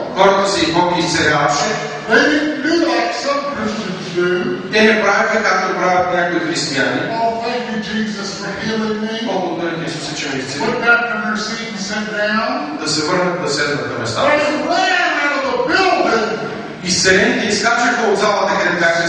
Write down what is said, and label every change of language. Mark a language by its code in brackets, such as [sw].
[bg] Хората си Бог изцеляваше. [en] They didn't do like some Christians do. [bg] Те не правиха, както правят някои християни. [en] Oh, thank you, Jesus, for healing me. [bg] Бог благодаря, Исус, че ме изцели. [en] Went back to their seat and sat down. [bg] Да се върнат на седната места. [en] They ran out of the building. [bg] Изцелените изкачаха от залата, където бяха